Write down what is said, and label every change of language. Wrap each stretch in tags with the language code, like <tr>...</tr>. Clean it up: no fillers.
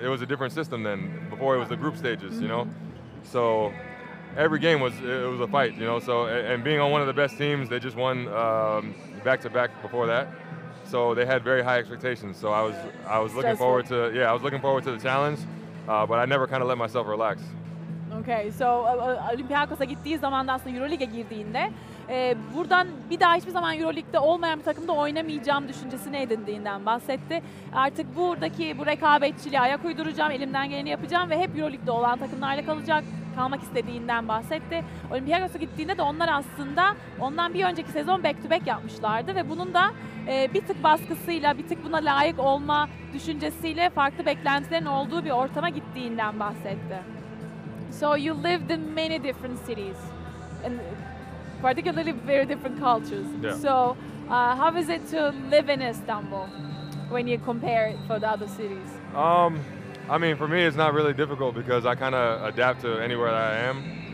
<en>It was a different system than before. It was the group stages, mm-hmm. you know? So every game was a fight, you know. So and being on one of the best teams, they just won back to back before that. So they had very high expectations. So I was looking forward to the challenge, but I never kind of let myself relax.</en> <tr>Okay, so Olympiakos'a gittiği zaman da aslında EuroLeague'e girdiğinde buradan bir daha hiçbir zaman EuroLeague'de olmayan bir takımda oynamayacağım düşüncesini edindiğinden bahsetti. Artık buradaki bu rekabetçiliği ayak uyduracağım, elimden geleni yapacağım ve hep EuroLeague'de olan takımlarla kalmak istediğinden bahsetti. Olympiakos'a gittiğinde de onlar aslında ondan bir önceki sezon</tr> <en>back to back</en> <tr>yapmışlardı ve bunun da bir tık baskısıyla, bir tık buna layık olma düşüncesiyle farklı beklentilerin olduğu bir ortama gittiğinden bahsetti.</tr> <en>So you lived in many different cities and particularly very different cultures. Yeah. So how is it to live in Istanbul when you compare it for the other cities? I mean, for me, it's not really difficult because I kind of adapt to anywhere that I am.</en>